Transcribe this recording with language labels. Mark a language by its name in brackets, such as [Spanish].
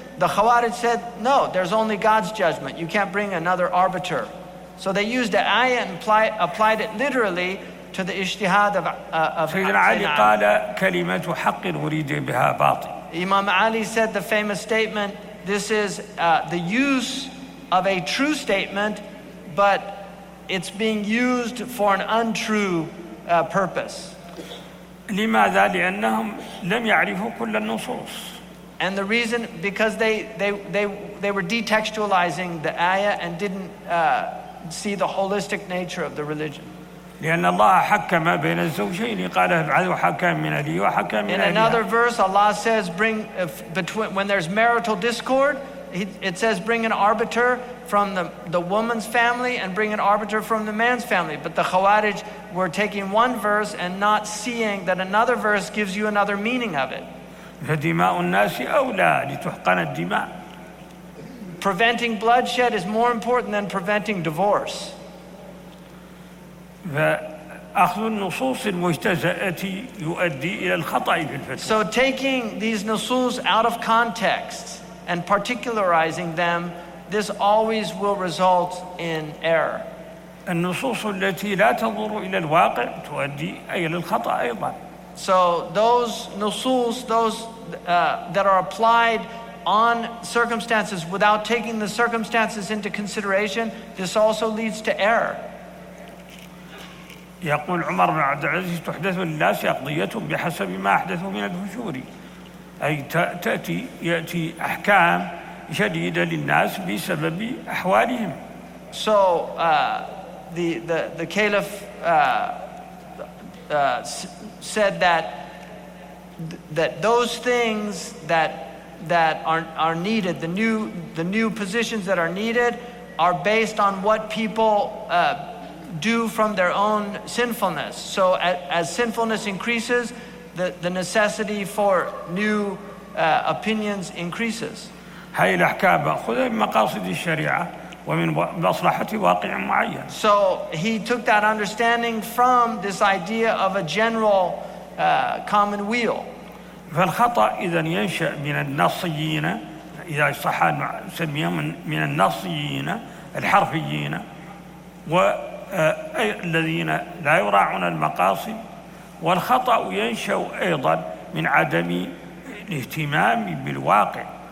[English] The Khawarij said, no, there's only God's judgment. You can't bring another arbiter. So they used the ayah and applied it literally to the ijtihad of Sayyidina Ali. [Arabic] قال كلمة حق أريد بها باطل. [English] Imam Ali said the famous statement, this is the use of a true statement, but it's being used for an untrue purpose. [Arabic] لماذا؟ لأنهم لم يعرفوا كل النصوص. [English] And the reason, because they were detextualizing the ayah and didn't see the holistic nature of the religion. [Arabic] لأن الله حكم بين الزوجين قال ابعثوا حكم من لي وحكم من In أليها. [English] Another verse Allah says bring between when there's marital discord it says bring an arbiter from the woman's family and bring an arbiter from the man's family but the Khawarij were taking one verse and not seeing that another verse gives you another meaning of it. [Arabic] فدماء الناس أولى لتحقن الدماء. [English] Preventing bloodshed is more important than preventing divorce. [Arabic] فأخذ النصوص المجتزأة يؤدي إلى الخطأ في الفتوى. [English] So taking these nusus out of context and particularizing them, this always will result in error. [Arabic] النصوص التي لا تنظر إلى الواقع تؤدي إلى الخطأ أيضا. [English] So those nusus, those that are applied on circumstances without taking the circumstances into consideration, this also leads to error. [Arabic] يقول عمر بن عبد العزيز تحدث للناس أقضيتهم بحسب ما أحدثوا من الفجور أي يأتي أحكام شديدة للناس بسبب أحوالهم. [English] So the caliph said that those things that are needed, the new positions that are needed are based on what people do from their own sinfulness. So as sinfulness increases, the necessity for new opinions increases. [Arabic] هاي الأحكام مأخوذة من مقاصد الشريعة ومن مصلحة واقع معين. [English] So he took that understanding from this idea of a general common weal. [Arabic] فالخطأ إذا ينشأ من النصيين إذا صح سميه من النصيين الحرفيين و الذين لا يراعون المقاصد والخطأ ينشأ أيضا من عدم الاهتمام بالواقع.